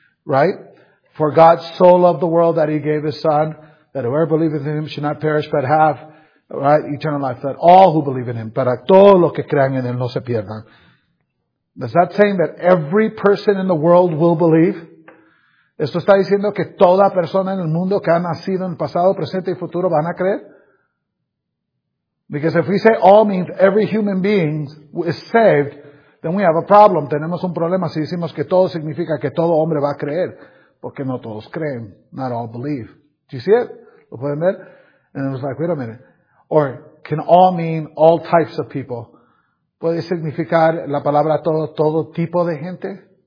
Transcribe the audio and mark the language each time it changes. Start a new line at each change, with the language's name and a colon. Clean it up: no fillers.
English: right? For God so loved the world that he gave his son, that whoever believeth in him should not perish, but have, right, eternal life. That all who believe in him,
Spanish: para todos los que crean en él no se pierdan.
English: Is that saying that every person in the world will believe?
Spanish: ¿Esto está diciendo que toda persona en el mundo que ha nacido en el pasado, presente y futuro van a creer?
English: Because if we say all means every human being is saved, then we have a problem.
Spanish: Tenemos un problema si decimos que todo significa que todo hombre va a creer. Porque no todos creen.
English: Not all believe. Do you see it?
Spanish: ¿Lo pueden ver?
English: And it was like, wait a minute. Or can all mean all types of people?
Spanish: ¿Puede significar la palabra todo, todo tipo de gente?